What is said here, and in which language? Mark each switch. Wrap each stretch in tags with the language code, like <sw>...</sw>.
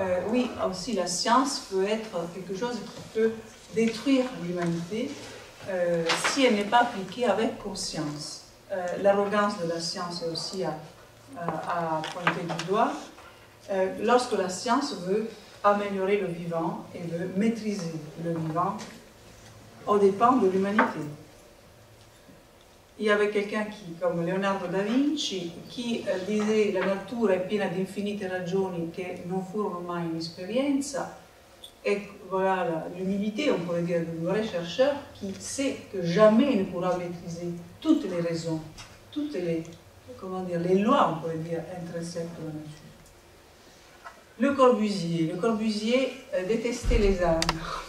<fr>Oui, aussi la science peut être quelque chose qui peut détruire l'humanité si elle n'est pas appliquée avec conscience. L'arrogance de la science aussi a pointé du doigt. Lorsque la science veut améliorer le vivant et veut maîtriser le vivant, au dépend de l'humanité. Il y avait quelqu'un qui, comme Leonardo da Vinci, qui disait</fr> <it>la natura è piena di infinite ragioni che non furono mai un'esperienza.</it> <fr>Et voilà l'humilité, on pourrait dire, d'un vrai chercheur qui sait que jamais il ne pourra maîtriser toutes les raisons, toutes les, comment dire, les lois, on pourrait dire, intrinsèques de la nature. Le Corbusier détestait les arbres.</fr>